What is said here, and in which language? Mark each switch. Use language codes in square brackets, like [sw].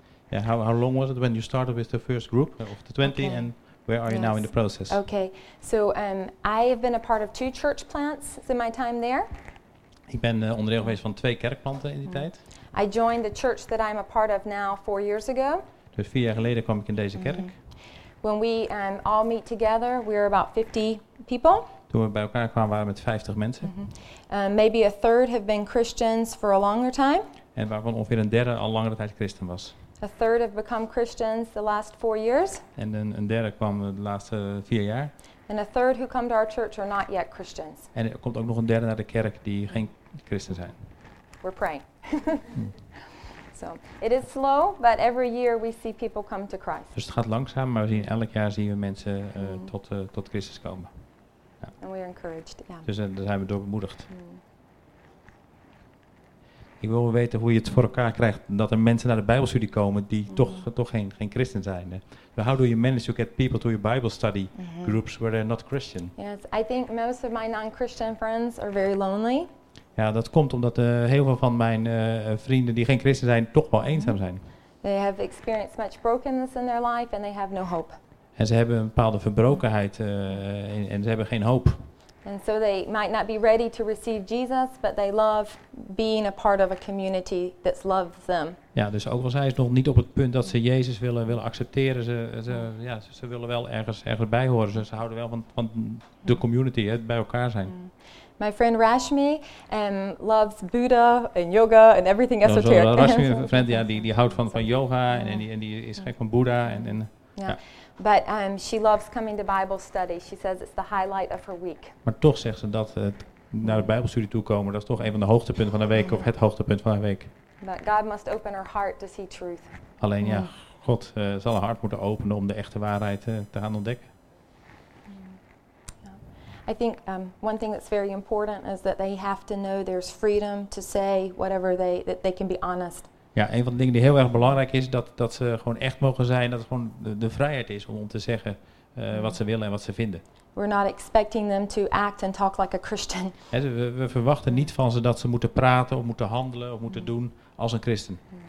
[en] Yeah, how long was it when you started with the first group of the 20, okay. And where are you now in the process? Okay, so I have been a part of two church plants in my time there. [nl] Ik ben onderdeel geweest van twee kerkplanten in die tijd. [en] I joined the church that I'm a part of now 4 years ago. [nl] Dus 4 jaar geleden kwam ik in deze kerk. [en] When we all meet together, we are about 50 people. [nl] Toen we bij elkaar kwamen, waren we met 50 mensen. [en] Maybe a third have been Christians for a longer time. [nl] En waarvan ongeveer een derde al langere tijd christen was. [en] A third have become Christians the last 4 years. [nl] En een derde kwam de laatste 4 jaar. [en] And a third who come to our church are not yet Christians. [nl] En er komt ook nog een derde naar de kerk die geen christen zijn. [en] We're praying. So it is slow, but every year we see people come to Christ. [nl] Dus het gaat langzaam, maar elk jaar zien we mensen tot Christus komen. [en] Ja. And we are encouraged. Yeah. [nl] Dus daar zijn we door bemoedigd. Ik wil weten hoe je het voor elkaar krijgt dat er mensen naar de Bijbelstudie komen die toch geen christen zijn. [en] How do you manage to get people to your Bible study groups where they're not Christian? Yes, I think most of my non-Christian friends are very lonely. [nl] Ja, dat komt omdat heel veel van mijn vrienden die geen christen zijn toch wel eenzaam zijn. [en] They have experienced much brokenness in their life and they have no hope. [nl] En ze hebben een bepaalde verbrokenheid en ze hebben geen hoop. [en] And so they might not be ready to receive Jesus, but they love being a part of a community that loves them. [nl] Ja, dus ook al zijn ze nog niet op het punt dat ze Jezus willen accepteren, ze willen wel ergens bij horen. Ze houden wel van de community, het bij elkaar zijn. [en] My friend Rashmi loves Buddha and yoga and everything esoteric. [nl] Rashmi, een vriend, ja, die houdt van yoga en die is gek van Buddha en ja. [en] But she loves coming to Bible study. She says it's the highlight of her week. [nl] Maar toch zegt ze dat naar de Bijbelstudie toe komen, dat is toch een van de hoogtepunten van haar week of het hoogtepunt van haar week. [en] But God must open her heart to see truth. [nl] Alleen ja, God zal haar hart moeten openen om de echte waarheid te gaan ontdekken. [en] I think one thing that's very important is that they have to know there's freedom to say whatever they can be honest. [nl] Ja, een van de dingen die heel erg belangrijk is, dat ze gewoon echt mogen zijn, dat het gewoon de vrijheid is om te zeggen wat ze willen en wat ze vinden. [en] We're not expecting them to act and talk like a Christian. [nl] We verwachten niet van ze dat ze moeten praten of moeten handelen of moeten doen als een christen.